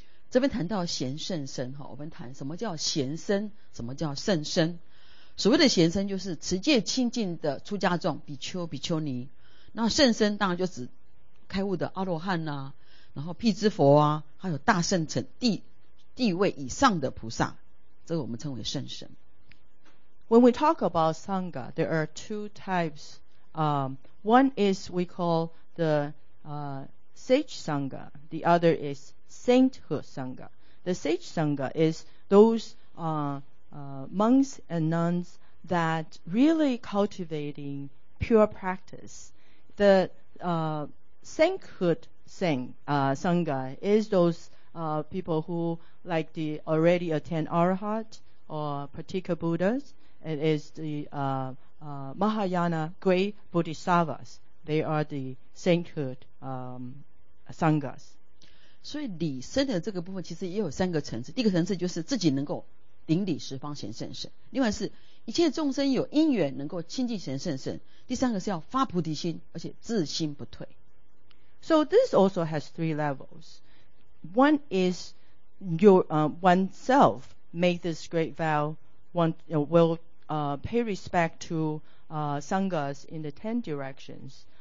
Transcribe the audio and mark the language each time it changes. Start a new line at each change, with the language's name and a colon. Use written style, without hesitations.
Chinese: 这边谈到贤圣身，我们谈什么叫贤身，什么叫圣身。所谓的贤身就是持戒清净的出家众，比丘、比丘尼。那圣身当然就指开悟的阿罗汉啊，然后辟支佛啊，还有大圣乘地位以上的菩萨。这个我们称为圣身。
English: When we talk about Sangha, there are two types. One is we call the Sage Sangha. The other is Sainthood Sangha. The Sage Sangha is those monks and nuns that really cultivating pure practice. The Sainthood Sangha is those people who like the already attend Arhat or particular Buddhas. It is the Mahayana great Bodhisattvas. They are the sainthood sanghas.
Chinese: 所以理身的这个部分其实也有三个层次。第一个层次就是自己能够顶礼十方贤圣身，另外是一切众生有因缘能够亲近贤圣身，第三个是要发菩提心，而且自心不退。
English: So this also has three levels. One is your oneself make this great vow, pay respect to sanghas in the 10 directions.